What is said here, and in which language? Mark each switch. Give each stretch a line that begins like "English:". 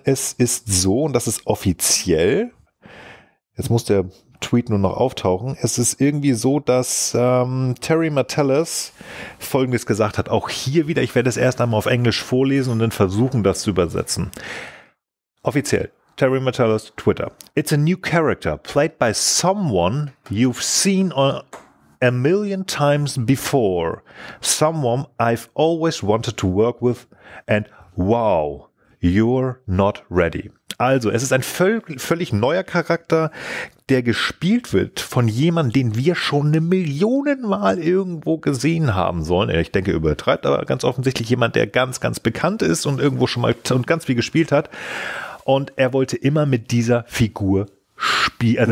German: Es ist so, und das ist offiziell, jetzt muss der Tweet nur noch auftauchen, es ist irgendwie so, dass Terry Metalis Folgendes gesagt hat, auch hier wieder, ich werde es erst einmal auf Englisch vorlesen und dann versuchen, das zu übersetzen. Offiziell. Terry Metalis, Twitter.
English: It's a new character played by someone you've seen a million times before. Someone I've always wanted to work with and wow, you're not ready.
German: Also, es ist ein völlig neuer Charakter, der gespielt wird von jemandem, den wir schon eine Millionen Mal irgendwo gesehen haben sollen. Ich denke, übertreibt aber ganz offensichtlich jemand, der ganz, ganz bekannt ist und irgendwo schon mal und ganz viel gespielt hat. Und er wollte immer mit dieser Figur spielen.